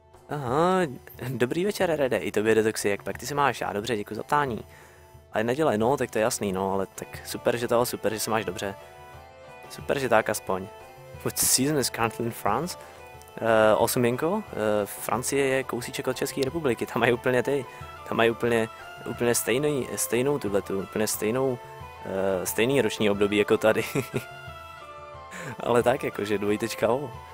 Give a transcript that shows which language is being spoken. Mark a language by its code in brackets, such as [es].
[cs] Aha, dobrý večer, Rede, i tobě, Detoxy, jak pak ty se máš? Já dobře, děkuji za ptání. A je neděle, no, tak to je jasný, no, ale tak super, že toho, super, že se máš dobře. Super, že tak aspoň. [en] What season is currently in France? [cs] Osuměnko, Francie je kousíček od České republiky, tam mají úplně stejnou tuhletu, úplně stejnou, stejný roční období jako tady. Ale tak, jakože dvojtečka o.